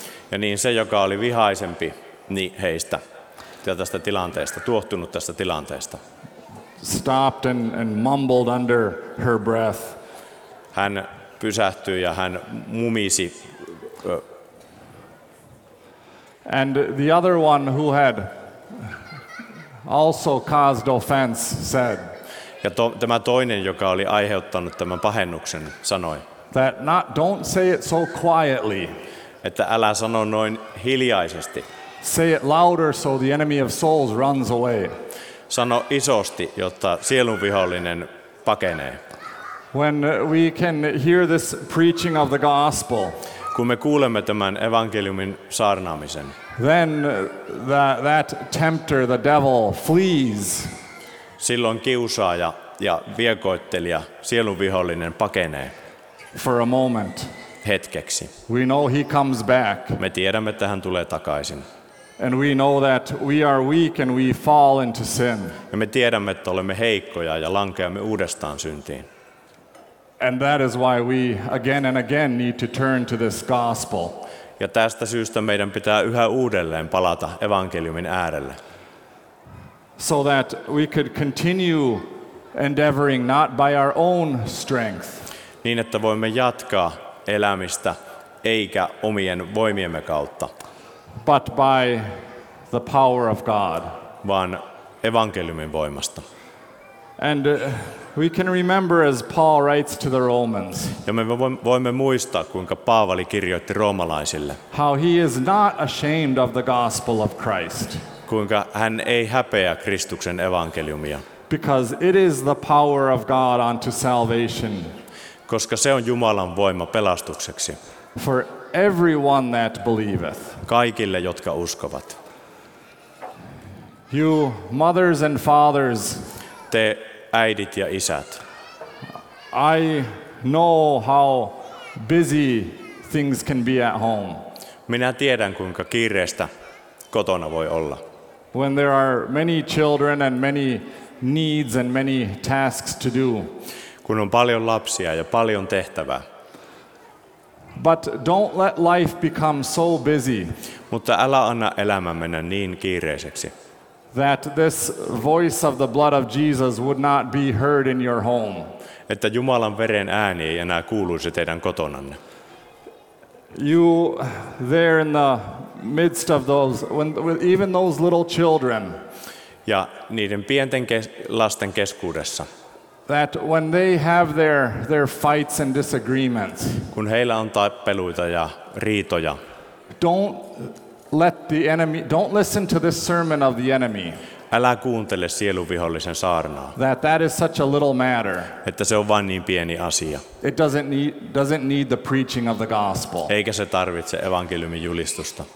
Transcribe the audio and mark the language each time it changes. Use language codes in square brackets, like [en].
[fi] Ja niin se, joka oli vihaisempi heistä ja tästä tilanteesta, tuohtunut tästä tilanteesta. [en] Stopped and mumbled under her breath. [fi] Hän pysähtyi ja hän mumisi. [en] And the other one who had also caused offense said. [fi] Ja tämä toinen, joka oli aiheuttanut tämän pahennuksen, sanoi. [en] That not, don't say it so quietly. [fi] Että älä sano noin hiljaisesti. [en] Say it louder so the enemy of souls runs away. [fi] Sano isosti, jotta sielunvihollinen pakenee. [en] When we can hear this preaching of the gospel, [fi] kun me kuulemme tämän evankeliumin saarnaamisen, [en] then that tempter, the devil, flees. [fi] Silloin kiusaaja ja viekoittelija, sielunvihollinen pakenee. [en] For a moment. [fi] Hetkeksi. [en] We know he comes back. [fi] Me tiedämme, että hän tulee takaisin. [en] And we know that we are weak and we fall into sin. [fi] Ja me tiedämme, että olemme heikkoja ja lankeamme uudestaan syntiin. [en] And that is why we again and again need to turn to this gospel. [fi] Ja tästä syystä meidän pitää yhä uudelleen palata evankeliumin äärelle. [en] So that we could continue endeavoring not by our own strength. [fi] Niin että voimme jatkaa elämistä eikä omien voimiemme kautta. [en] But by the power of God. [fi] Vaan evankeliumin voimasta. [en] And we can remember as Paul writes to the Romans. [fi] Ja me voimme muistaa, kuinka Paavali kirjoitti roomalaisille. [en] How he is not ashamed of the gospel of Christ. [fi] Kuinka hän ei häpeä Kristuksen evankeliumia. [en] Because it is the power of God unto salvation. [fi] Koska se on Jumalan voima pelastukseksi. [en] For everyone that believeth. [fi] Kaikille, jotka uskovat. [en] You mothers and fathers. [fi] Te äidit ja isät. [en] I know how busy things can be at home. [fi] Minä tiedän, kuinka kiireistä kotona voi olla. [en] When there are many children and many needs and many tasks to do. [fi] Kun on paljon lapsia ja paljon tehtävää. [en] But don't let life become so busy. [fi] Mutta älä anna elämän mennä niin kiireiseksi. [en] That this voice of the blood of Jesus would not be heard in your home. [fi] Että Jumalan veren ääni ei enää kuuluisi teidän kotonanne. [en] You there in the midst of those, even those little children. [fi] Ja niiden pienten lasten keskuudessa. [en] That when they have their fights and disagreements. [fi] Kun heillä on tappeluita ja riitoja. [en] Don't let the enemy, don't listen to this sermon of the enemy. [fi] Älä kuuntele sielunvihollisen saarnaa. [en] That is such a little matter. [fi] Että se on vain niin pieni asia. [en] It doesn't need the preaching of the gospel. [fi] Eikä se tarvitse evankeliumin julistusta.